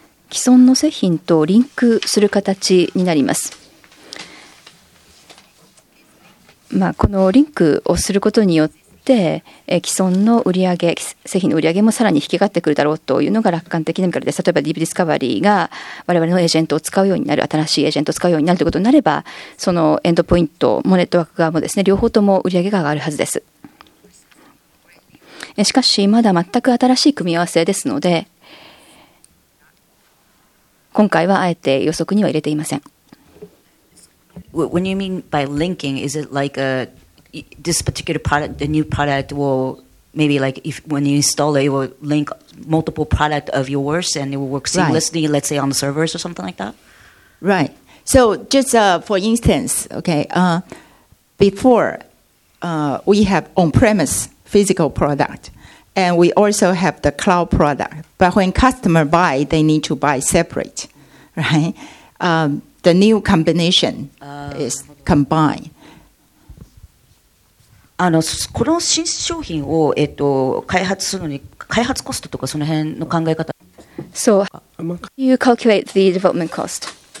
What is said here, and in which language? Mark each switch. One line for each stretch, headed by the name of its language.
Japanese: 既存の製品とリンクする形になります、このリンクをすることによって、既存の売上、製品の売上もさらに引き上がってくるだろうというのが楽観的な見方です。例えばディープディスカバリーが我々のエージェントを使うようになる、新しいエージェントを使うようになるということになれば、そのエンドポイントもネットワーク側もですね、両方とも売上が上がるはずです。しかしまだ全く新しい組み合わせですので、今回はあえて予測には入れていません。
English: When you mean by linking, is it like a, this particular product, the new product will maybe like if when you install it, it will link multiple product of yours and it will work seamlessly, right. Let's say on the servers or something like that? Right. So just for instance, okay, before we have on-premise physical product. And we also have the cloud product. But when customer buy, they need to buy separate, right? The new combination is combined.
Japanese: この新商品を、開発するのに、開発コストとかその辺の考え方。
English: So, you calculate the development cost.